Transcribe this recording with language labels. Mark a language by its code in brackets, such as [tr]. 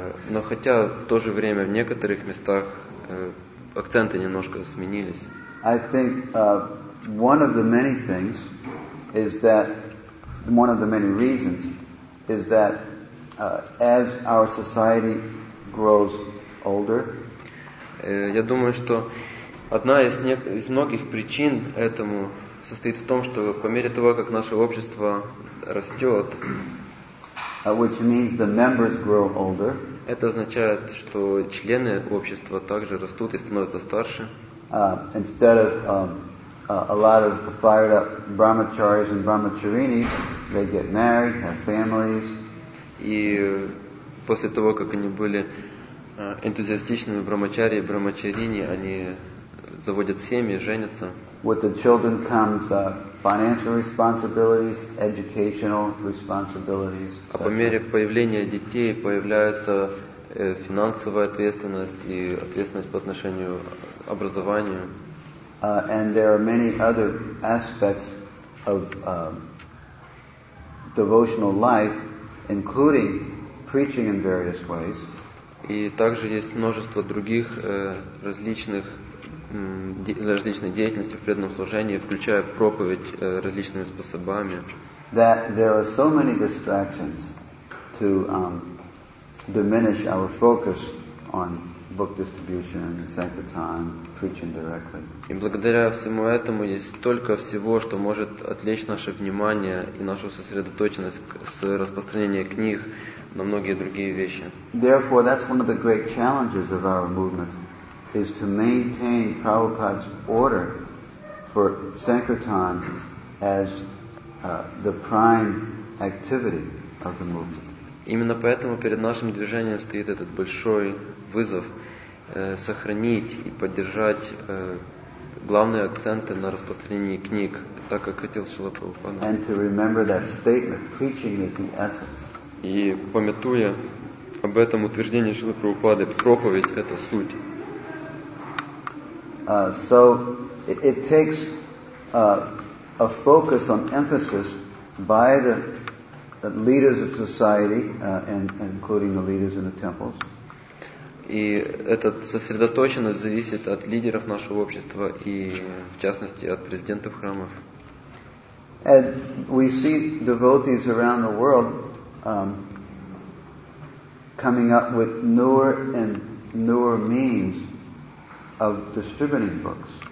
[ru] Но хотя в то же время в некоторых местах акценты немножко сменились. [en] I think one of the many things is that one of the many reasons is that as our society grows older, [ru] я думаю, что одна из многих причин этому состоит в том, что по мере того, как наше общество растет, [en] which means the members grow older, [ru] это означает, что члены общества также растут и становятся старше. [en] Instead of a lot of fired up brahmacharis and brahmacharinis, they get married, have families. [ru] И после того, как они были энтузиастичными брахмачари и брахмачарини, они заводят семьи, женятся. [en] With the children comes financial responsibilities, educational responsibilities. [ru] А по мере появления детей появляется финансовая ответственность и ответственность по отношению к образованию. [en] And there are many other aspects of devotional life, including preaching in various ways. [ru] И также есть множество других различных различной деятельности в преданном служении, включая проповедь различными способами. [en] That there are so many distractions to diminish our focus on book distribution, sankirtan, preaching directly. [ru] И благодаря всему этому есть столько всего, что может отвлечь наше внимание и нашу сосредоточенность с распространения книг на многие другие вещи. [en] Therefore, that's one of the great challenges of our movement, is to maintain Prabhupada's order for sankirtan as the prime activity of the movement. [ru] Именно поэтому перед нашим движением стоит этот большой вызов сохранить и поддержать главные акценты на распространении книг, так как хотел Шрила Прабхупада. [en] And to remember that statement, preaching is the essence. [ru] И памятуя об этом утверждении Шрила Прабхупады, проповедь — это суть. [en] So it takes a focus on emphasis by the leaders of society, and including the leaders in the temples. [ru] И эта сосредоточенность зависит от лидеров нашего общества и, в частности, от президентов храмов. [en] And we see devotees around the world coming up with newer and newer means of distributing books.